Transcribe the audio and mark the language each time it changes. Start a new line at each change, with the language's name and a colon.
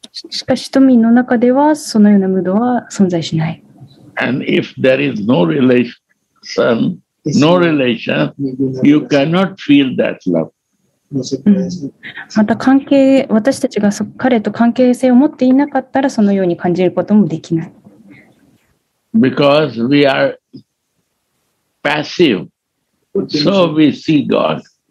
Japanese: しかし、民の中ではそのようなムードは存在しない。
English: And if there is no relation, no relation, you cannot feel that love.
Japanese: また関係、私たちが彼と関係性を持っていなかったらそのように感じることもできない。
English: Because we are passive, so we see God.